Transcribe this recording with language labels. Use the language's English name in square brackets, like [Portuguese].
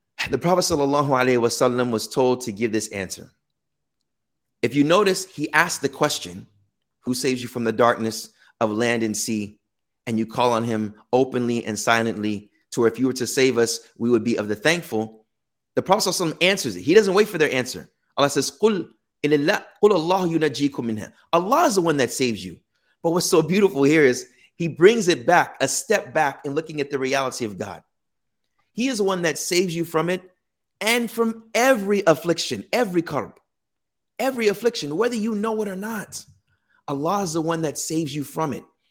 [English] The Prophet sallallahu alaihi wasallam was told to give this answer. If you notice, he asked the question, who saves you from the darkness of land and sea? And you call on him openly and silently, to where if you were to save us, we would be of the thankful. The Prophet ﷺ answers it. He doesn't wait for their answer. [Arabic] Allah says, قُلْ اللَّهُ يُنَجِّيكُمْ مِنْهَا. [English] Allah is the one that saves you. But what's so beautiful here is he brings it back, a step back in looking at the reality of God. He is the one that saves you from it and from every affliction, every karb. Every affliction, whether you know it or not, Allah is the one that saves you from it.